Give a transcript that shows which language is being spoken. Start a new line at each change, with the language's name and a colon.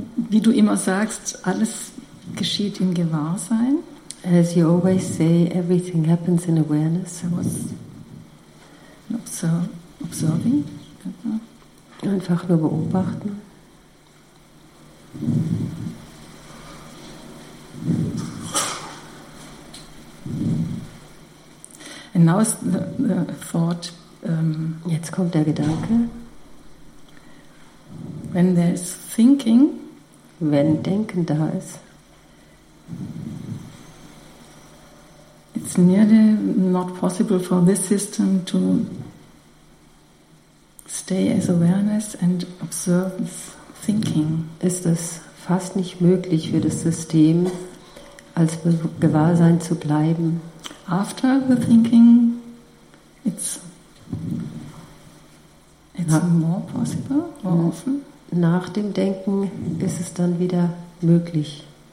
German: wie du immer sagst, alles geschieht im Gewahrsein.
English: As you always say, everything happens in awareness. I was observing.
German: Einfach nur beobachten.
English: And now is the thought.
German: Jetzt kommt der Gedanke.
English: When there's thinking.
German: Wenn Denken da ist.
English: It's nearly not possible for this system to stay as awareness and observe thinking.
German: Ist es fast nicht möglich für das System, als Gewahrsein zu bleiben?
English: After the thinking, It's more possible, more often.
German: Nach dem Denken ist es dann wieder möglich.